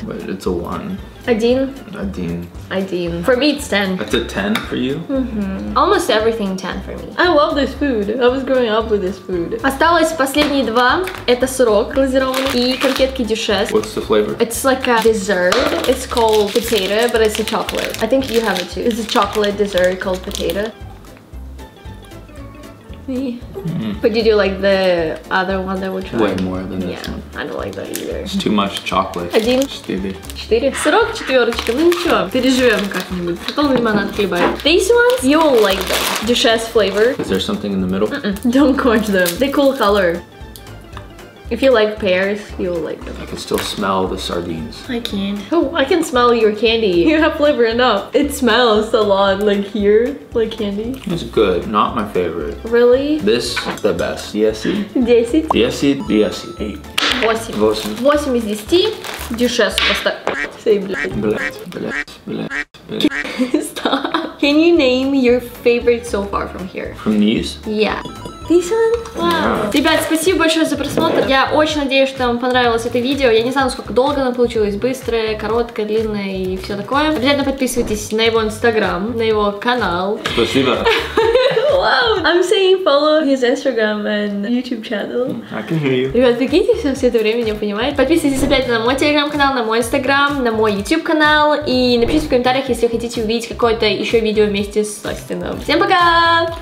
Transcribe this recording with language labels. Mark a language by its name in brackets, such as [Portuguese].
[English] But it's a one. [Russian] Один? Один. [English] Один. For me, it's 10. That's a 10 for you? Mm-hmm. Almost everything 10 for me. I love this food. I was growing up with this food. [Russian] Осталось последние два. Это сырок глазированный и конфетки дюшес. [English] What's the flavor? It's like a dessert. It's called potato, but it's a chocolate. I think you have it too. It's a chocolate dessert called potato. Mm-hmm. But did you like the other one that we tried? Way more than this one. Yeah, I don't like that either. It's too much chocolate. [Russian] Один. Четыре. Четыре. Сырок, четверочка. Ну ничего, переживем как-нибудь. Потом лимонад хлебаем. [English] These ones, you'll like them. Дюшес flavor. Is there something in the middle? Mm-mm. Don't quench them. They cool color. If you like pears, you'll like them. I can still smell the sardines. I can't. Oh, I can smell your candy. You have flavor enough. It smells a lot like here, like candy. It's good, not my favorite. Really? This is the best. Десять. Десять. Десять. Десять. [Russian] Eight. Восемь. Восемь. Восемь из десяти. Дюшес просто... Say блядь. Блядь. Блядь. Блядь. [English] Stop. Can you name your favorite so far from here? From these? Yeah. Wow. [Russian] Ребят, спасибо большое за просмотр. Я очень надеюсь, что вам понравилось это видео. Я не знаю, насколько долго оно получилось. Быстрое, короткое, длинное и все такое. Обязательно подписывайтесь на его инстаграм, на его канал. Спасибо. [English] Wow. I'm saying follow his Instagram and YouTube channel. I can hear you. [Russian] Ребят, бегите, все это время не понимает. Подписывайтесь обязательно на мой телеграм-канал, на мой инстаграм, на мой YouTube канал. И напишите в комментариях, если хотите увидеть какое-то еще видео вместе с Остином. Всем пока!